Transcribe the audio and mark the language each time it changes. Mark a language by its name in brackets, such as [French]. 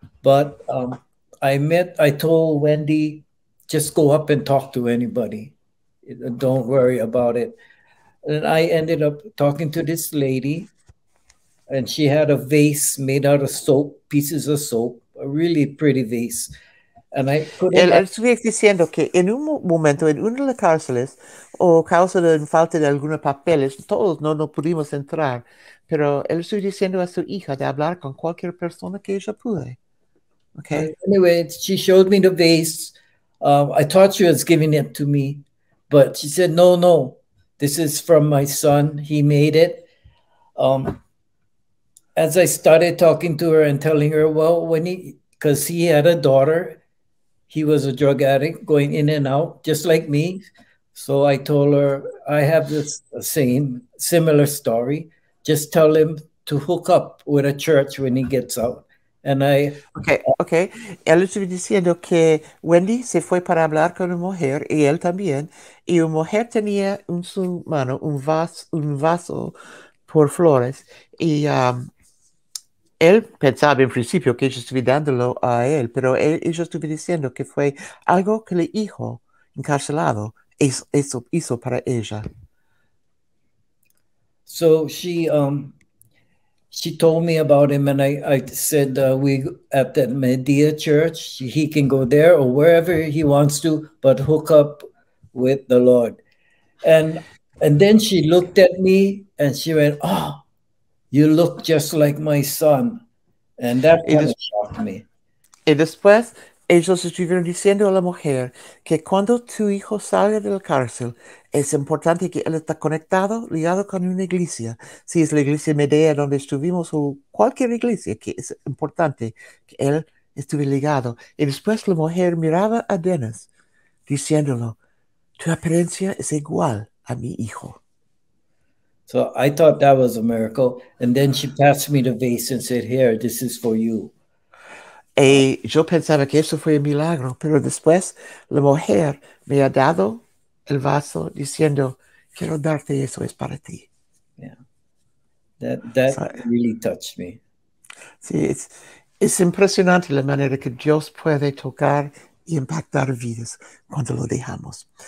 [English] But I told Wendi, just go up and talk to anybody. Don't worry about it. And I ended up talking to this lady, and she had a vase made out of soap, pieces of soap. A really pretty vase. And I put it. [Spanish] Él estuvo diciendo que en un momento, en una de las cárceles, o causa de falta de algunos papeles, todos no pudimos entrar. Pero él estuvo diciendo a su hija de hablar con cualquier persona que ella pude. [English] Okay. Anyway, she showed me the vase. I thought she was giving it to me, but she said, no, no, this is from my son. He made it. As I started talking to her and telling her, well, because he had a daughter, he was a drug addict going in and out, just like me. So I told her, I have this similar story. Just tell him to hook up with a church when he gets out. And I... Okay. [Spanish] Él estuvo diciendo que Wendi se fue para hablar con una mujer, y él también. Y una mujer tenía en su mano un vaso por flores. Y... él pensaba en principio que ella estuviera dándolo a él, pero ella estuvo diciendo que fue algo que el hijo encarcelado hizo para ella. [English] So she told me about him, and I said, we at the Medea church, he can go there or wherever he wants to, but hook up with the Lord. And then she looked at me and she went, oh, you look just like my son. And that kind of shocked me. [Spanish] Y después, ellos estuvieron diciendo a la mujer que cuando tu hijo sale de la cárcel, es importante que él está conectado, ligado con una iglesia. Si es la iglesia Medea donde estuvimos, o cualquier iglesia, que es importante que él estuve ligado. Y después la mujer miraba a Dennis, diciéndolo, tu apariencia es igual a mi hijo. [English] So I thought that was a miracle. And then she passed me the vase and said, here, this is for you. [Spanish] Y yo pensaba que eso fue un milagro. Pero después la mujer me ha dado el vaso diciendo, quiero darte eso, es para ti. [English] Yeah. That really touched me. [Spanish] Sí, es impresionante la manera que Dios puede tocar y impactar vidas cuando lo dejamos.